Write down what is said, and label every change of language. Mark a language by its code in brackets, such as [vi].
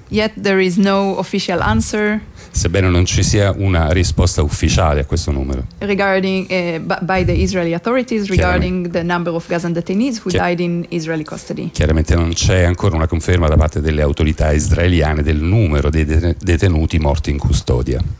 [en] Yet there is no official answer. [it] Sebbene non ci sia una risposta ufficiale a questo numero. [en] Regarding by the Israeli authorities regarding the number of Gazan detainees who died in Israeli custody. [it] Chiaramente non c'è ancora una conferma da parte delle autorità israeliane del numero dei detenuti morti in custodia.